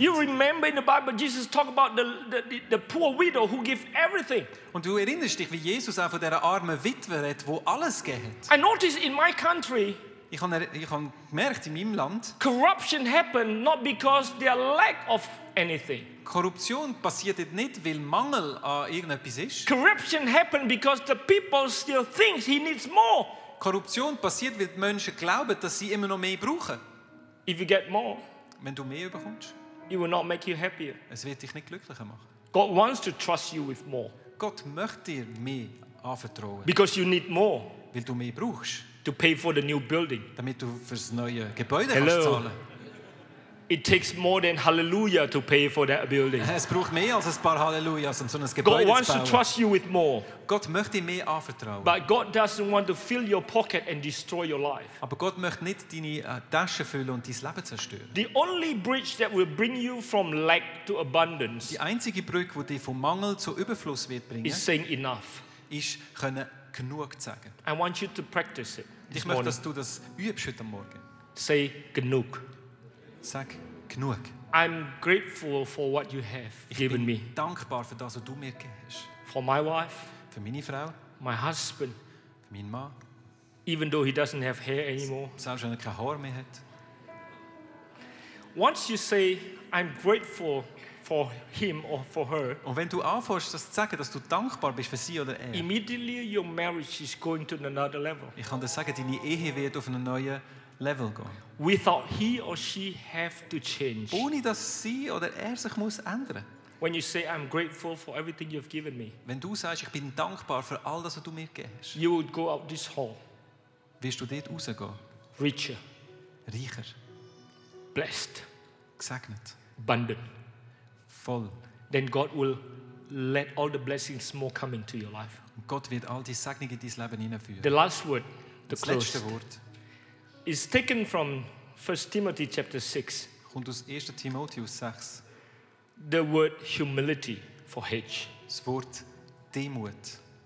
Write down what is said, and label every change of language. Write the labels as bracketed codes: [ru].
[en] You remember in the Bible Jesus talked about the poor widow who gave everything. [de] Und du erinnerst dich, wie Jesus auch von der armen Witwe redet, wo alles gegeben. [en] I noticed in my country. [de] Ich habe gemerkt in meinem Land. [en] Corruption happened not because there lack of anything. [de] Korruption passiert nicht, weil Mangel an irgendetwas ist. [en] Corruption happened because the people still think he needs more. [de] Korruption passiert, weil die Menschen glauben, dass sie immer noch mehr brauchen. [en] If you get more, [de] wenn du mehr bekommst, [en] it will not make you happier. [de] Es wird dich nicht glücklicher machen. [en] God wants to trust you with more. [de] Gott möchte dir mehr anvertrauen. [en] Because you need more, [de] weil du mehr brauchst. [en] To pay for the new building. [de] Damit du für das neue Gebäude kannst zahlen. [en] It takes more than hallelujah to pay for that building. [de] Es braucht mehr als ein paar Hallelujahs, um so ein Gebäude zu bauen. [en] God wants to trust you with more. [de] Gott möchte mehr anvertrauen. [en] But God doesn't want to fill your pocket and destroy your life. [de] Aber Gott möchte nicht deine Tasche füllen und dein Leben zerstören. [en] The only bridge that will bring you from lack to abundance. [de] Die einzige Brücke, wo dich vom Mangel zu Überfluss wird bringen. [en] Is saying enough. [de] Ist können genug sagen. [en] I want you to practice it. [de] Ich möchte, dass du das übst heute Morgen. [en] Say genug. [de] Sag genug. [en] I'm grateful for what you have [de] ich given me. Dankbar für das, was du mir gegeben hast. [en] For my wife. [de] Für meine Frau. [en] My husband. [de] Für meinen Mann. [en] Even though he doesn't have hair anymore. [de] Selbst wenn er kein Haar mehr hat. [en] Once you say I'm grateful for him or for her. [de] Und wenn du anfängst, das zu sagen, dass du dankbar bist für sie oder er. [en] Immediately your marriage is going to another level. [de] Ich kann dir sagen, deine Ehe wird auf einen neuen Level gehen. [en] Without he or she have to change. [de] Ohne dass sie oder er sich muss ändern. [en] When you say I'm grateful for everything you've given me. [de] Wenn du sagst, ich bin dankbar für all das, was du mir gegeben hast. [en] You would go out this hall. [de] Wirst du dort rausgehen? [en] Richer. [de] Reicher. [en] Blessed. [de] Gesegnet. [en] Abundant. [de] Voll. [en] Then God will let all the blessings more come into your life. [de] Und Gott wird all die Segnungen in dein Leben hineinführen. [en] The last word, the [de] letzte Wort. [en] Is taken from 1 Timothy chapter 6. [de] Kommt aus 1. Timotheus 6. [en] The word humility for H. [de] Das Wort Demut.